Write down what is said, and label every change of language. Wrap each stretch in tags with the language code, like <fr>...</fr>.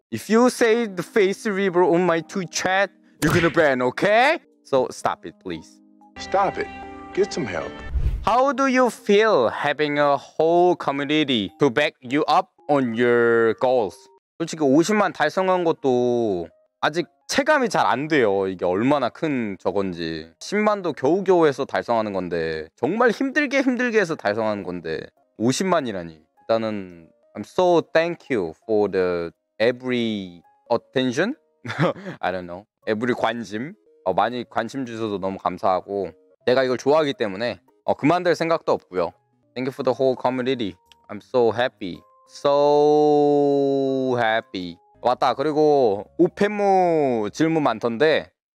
<en>If you say the face reveal on my Twitch chat, you're gonna ban, okay? So stop it, please. Stop it. Get some help. How do you feel having a whole community to back you up on your goals?</en> <ko>솔직히 50만 달성한 것도 아직 체감이 잘 안 돼요. 이게 얼마나 큰 저건지. 10만도 겨우겨우 해서 달성하는 건데 정말 힘들게 해서 달성하는 건데 50만이라니. 일단은</ko> <en>I'm so thank you for the every attention? I don't know. Every 관심.</en> <ko>많이 관심 주셔서 너무 감사하고 내가 이걸 좋아하기 때문에 그만둘 생각도 없고요.</ko> <en>Thank you for the whole community. I'm so happy. So happy.</en> <ko>맞다. 그리고 우펜무 질문 많던데</ko>